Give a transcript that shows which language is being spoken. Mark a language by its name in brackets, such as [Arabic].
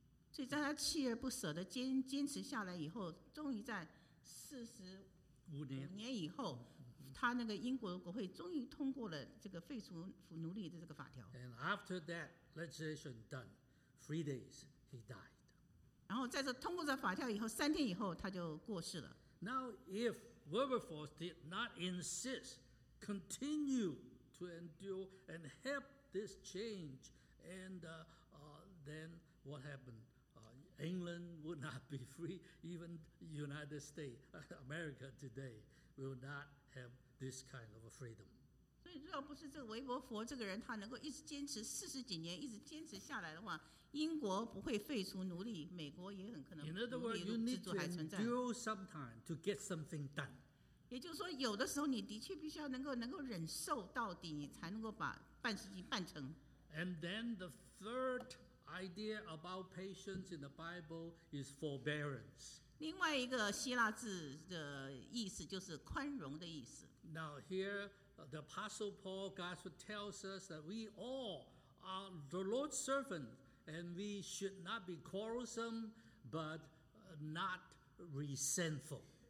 [Chinese] 所以在他锲而不舍的坚持下来以后，终于在45年以后，他那个英国国会终于通过了这个废除奴隶的这个法条。 [English] And after that legislation done, 3 days he died. [Chinese] 然后在这通过这法条以后，三天以后他就过世了。 [English] Now if Wilberforce did not insist, continue to endure and help this change, and then what happened? England would not be free. Even United States, America today will not have this kind of a freedom. [Chinese] 所以，若不是这个韦伯佛这个人，他能够一直坚持四十几年，一直坚持下来的话，英国不会废除奴隶，美国也很可能奴隶制度还存在。 [English] In other words, you need to endure some time to get something done. [Chinese] 也就是说，有的时候你的确必须要能够忍受到底，你才能够把办事情办成。 [English] And then the third. Idea about patience in the Bible is forbearance. [Chinese] 另外一个希腊字的意思就是宽容的意思。 [English] Now here, the Apostle Paul, God tells us that we all are the Lord's servant, and we should not be quarrelsome, but not resentful.